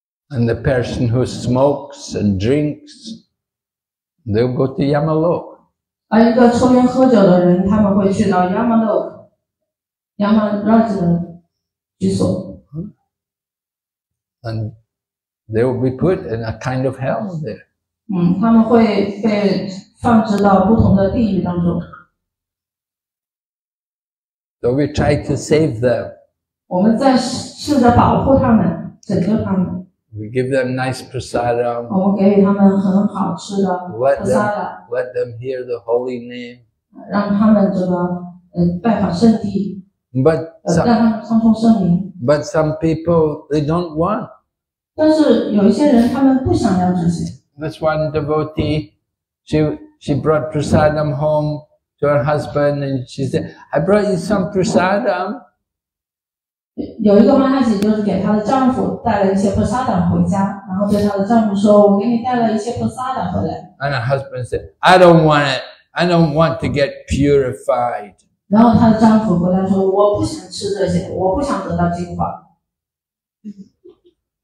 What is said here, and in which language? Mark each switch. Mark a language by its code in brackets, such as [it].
[en] And the person who smokes and drinks, they'll go to Yamalok. [zh] 而一个抽烟喝酒的人，他们会去到 Yamalok, Yamaraj 的居所。 [en] And They will be put in a kind of hell there. [zh] 他们会被放置到不同的地狱当中。 [en] So we try to save them. [zh] 我们在试着保护他们，拯救他们。 [en] We give them nice prasadam. [zh] 我们给予他们很好吃的 prasadam. [en] Let them hear the holy name. [zh] 让他们这个拜访圣地。 [en] But some, [zh] 让他们诵诵圣名。 [en] But some people they don't want. [zh] 但是有一些人他们不想要这些。 [en] This one devotee, she brought prasadam home to her husband and she said, I brought you some prasadam. [zh] 有一个妈妈姐就是给她的丈夫带了一些 prasada 回家，然后对她的丈夫说：“我给你带了一些 prasada 回来。” [en] And her husband said, "I don't want it. I don't want to get purified." [zh] 然后她的丈夫回来说：“我不想吃这些，我不想得到净化。”